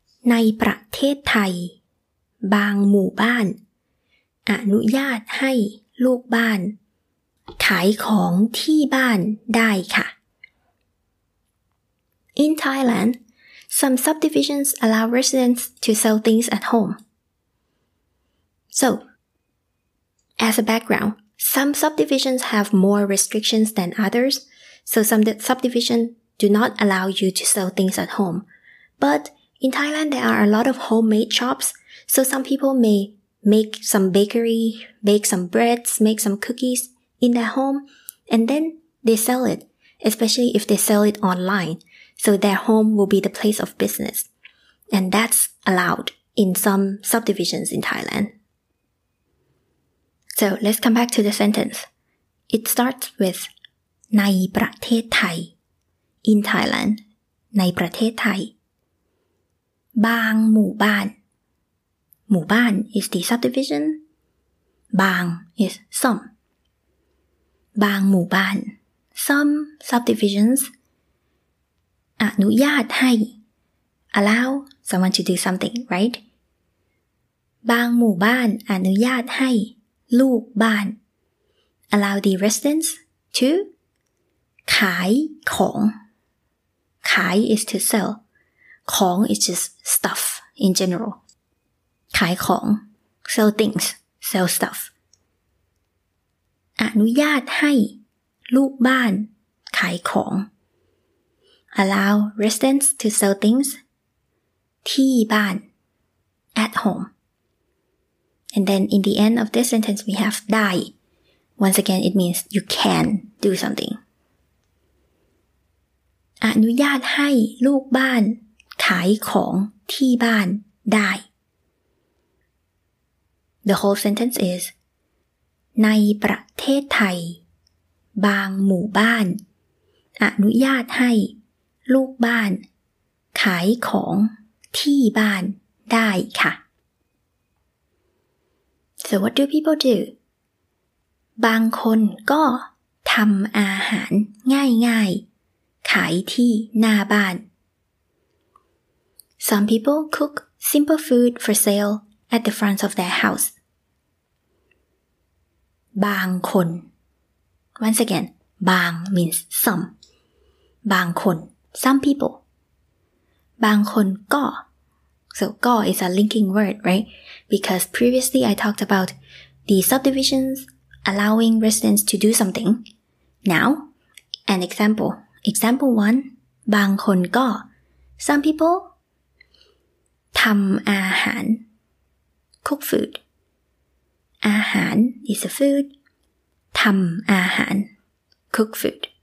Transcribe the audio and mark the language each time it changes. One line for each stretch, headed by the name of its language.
Thai: ในประเทศไทยบางหมู่บ้านอนุญาตให้ลูกบ้านขายของที่บ้านได้ค่ะ
English: In Thailand, some subdivisions allow residents to sell things at home. So, as a background, some subdivisions have more restrictions than others, so some subdivisions do not allow you to sell things at home. ButIn Thailand, there are a lot of homemade shops, so some people may make some bakery, bake some breads, make some cookies in their home, and then they sell it, especially if they sell it online. So their home will be the place of business. And that's allowed in some subdivisions in Thailand. So let's come back to the sentence. It starts with ในประเทศไทย In Thailand,
Thai: ในประเทศไทยบางหมู่บ้าน
English: หมู่บ้าน is the subdivision. บาง is some.
Thai: บางหมู่บ้าน
English: some subdivisions อนุญาตให้ allow someone to do something, right?
Thai: บางหมู่บ้านอนุญาตให้ลูกบ้าน
English: allow the residents to
Thai: ขายของ ขาย is to sell.
English: ของ is just stuff in general. ขายของ sell things, sell stuff.
Thai: อนุญาตให้ลูกบ้านขายของ
English: allow residents to sell things
Thai: ที่บ้าน
English: at home. And then in the end of this sentence we have ได้ once again it means you can do something.
Thai: อนุญาตให้ลูกบ้านขายของที่บ้านได้
English: The whole sentence is
Thai: ในประเทศไทยบางหมู่บ้านอนุญาตให้ลูกบ้านขายของที่บ้านได้ค่ะ
English: So what do people do?
Thai: บางคนก็ทำอาหารง่ายๆขายที่หน้าบ้าน
English: Some people cook simple food for sale at the front of their house. บางคน Once again, บาง means some. บางคน Some people.
Thai: บางคนก็
English: So ก็ is a linking word, right? Because previously I talked about the subdivisions allowing residents to do something. Now, an example. Example 1.
Thai: บางคนก็
English: Some people
Thai: ทำอาหาร
English: cook food อาหาร is a food ทำอาหารcook food.